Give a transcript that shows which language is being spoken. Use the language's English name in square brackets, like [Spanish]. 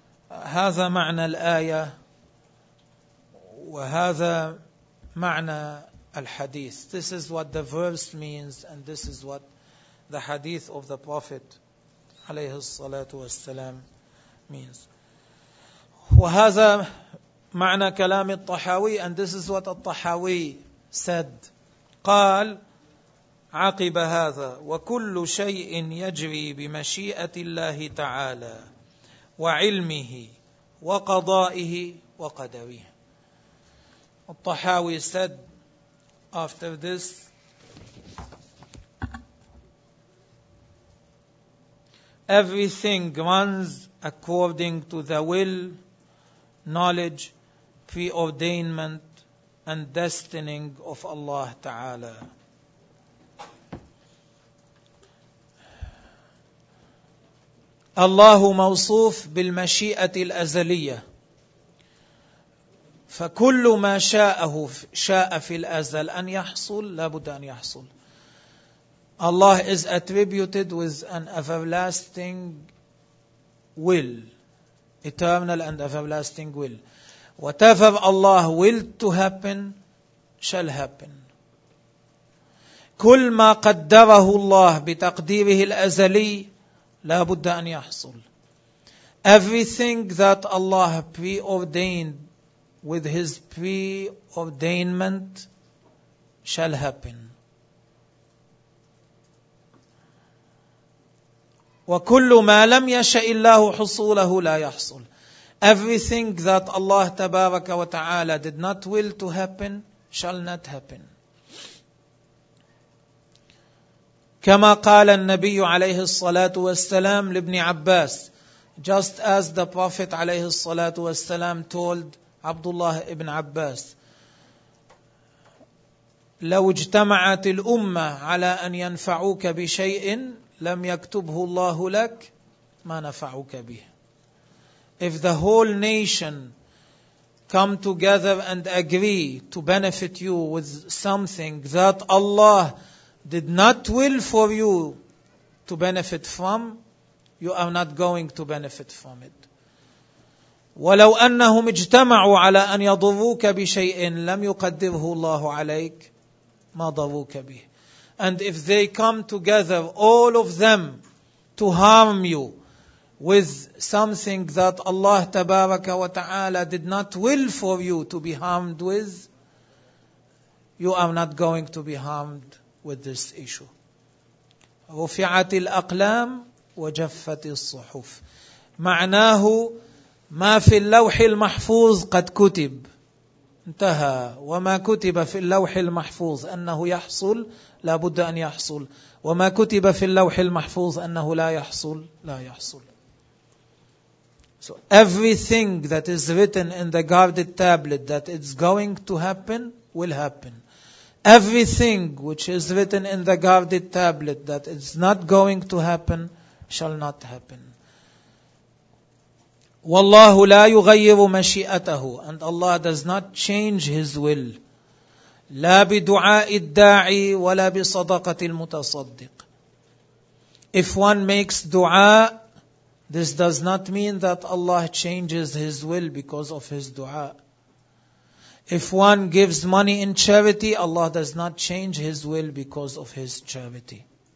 [Arabic] هذا معنى الآية وهذا معنى الحديث. [English] This is what the verse means and this is what the hadith of the Prophet عليه الصلاة والسلام means. [Arabic] وهذا معنى كلام الطحاوي [English] and this is what الطحاوي said. [Arabic] قال عقب هذا وكل شيء يجري بمشيئة الله تعالى وعلمه وقضائه وقدره. [English] الطحاوي said after this, everything runs according to the will, knowledge, preordainment, and destining of Allah Ta'ala. [Arabic] Allahu mawsuf bil mashi'ati al-azaliyya. فكل ما شاءه شاء في الأزل أن يحصل لابد أن يحصل. [English] Allah is attributed with an everlasting will, eternal and everlasting will. Whatever Allah willed to happen shall happen. [Arabic] كل ما قدره الله بتقديره الأزلي لابد أن يحصل. [English] Everything that Allah preordained with his preordainment shall happen. [Arabic] وَكُلُّ مَا لَمْ يَشَئِ اللَّهُ حُصُولَهُ لَا يَحْصُلُ. [English] Everything that Allah tabaraka wa ta'ala did not will to happen shall not happen. [Arabic] كَمَا قَالَ النَّبِيُّ عَلَيْهِ الصَّلَاةُ وَالسَّلَامُ لِبْنِ عَبَّاسِ. [English] Just as the Prophet عَلَيْهِ الصَّلَاةُ وَالسَّلَامُ told Abdullah ibn Abbas, [Arabic] لو اجتمعت الأمة على أن ينفعوك بشيء لم يكتبه الله لك ما نفعوك به. [English] If the whole nation come together and agree to benefit you with something that Allah did not will for you to benefit from, you are not going to benefit from it. [Arabic] وَلَوْ أَنَّهُمْ اجْتَمَعُوا عَلَىٰ أَنْ يَضُرُّوكَ بِشَيْءٍ لَمْ يُقَدِّرْهُ اللَّهُ عَلَيْكَ مَا ضَرُّوكَ بِهِ. [English] And if they come together, all of them, to harm you with something that Allah tabaraka wa ta'ala did not will for you to be harmed with, you are not going to be harmed with this issue. [Arabic] رُفِعَتِ الْأَقْلَامِ وَجَفَّتِ الصُّحُفِ. معناه ما في اللوح المحفوظ قد كتب انتهى. وما كتب في اللوح المحفوظ أنه يحصل لا بد أن يحصل. وما كتب في اللوح المحفوظ أنه لا يحصل لا يحصل. [English] So everything that is written in the guarded tablet that it's going to happen will happen. Everything which is written in the guarded tablet that it's not going to happen shall not happen. [Arabic] والله لا يغير مشيئته. [English] And Allah does not change His will. [Arabic] لا بدعاء الداعي ولا بصدقة المتصدق. [English] If one makes dua, this does not mean that Allah changes His will because of His dua. If one gives money in charity, Allah does not change His will because of His charity.